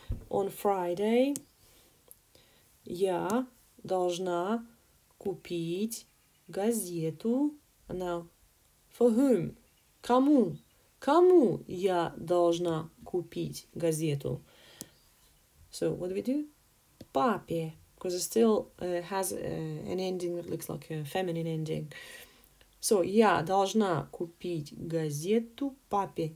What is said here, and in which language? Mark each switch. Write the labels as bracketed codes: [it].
[en] On Friday, [ru] я должна купить газету. [en] Now, for whom? [ru] Кому? Кому я должна купить газету? [en] So, what do we do? [ru] Папе. [en] Because it still has an ending that looks like a feminine ending. [ru] So, я должна купить газету папе.